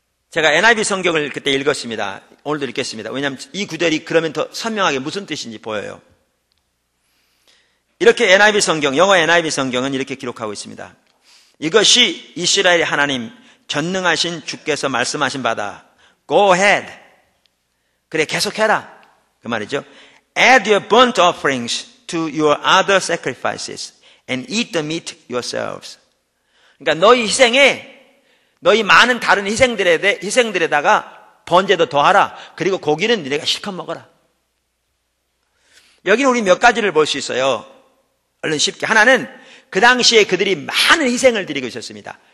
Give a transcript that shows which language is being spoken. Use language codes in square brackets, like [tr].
[ko] 제가 NIV 성경을 그때 읽었습니다. 오늘도 읽겠습니다. 왜냐하면 이 구절이 그러면 더 선명하게 무슨 뜻인지 보여요. 이렇게 NIV 성경, 영어 NIV 성경은 이렇게 기록하고 있습니다. 이것이 이스라엘의 하나님 전능하신 주께서 말씀하신 바다. [en] Go ahead. [ko] 그래, 계속해라. 그 말이죠. [en] Add your burnt offerings to your other sacrifices and eat the meat yourselves. [ko] 그러니까 너희 희생에 너희 많은 다른 희생들에다가 번제도 더하라. 그리고 고기는 너희가 실컷 먹어라. 여기는 우리 몇 가지를 볼 수 있어요. 얼른 쉽게. 하나는 그 당시에 그들이 많은 희생을 드리고 있었습니다.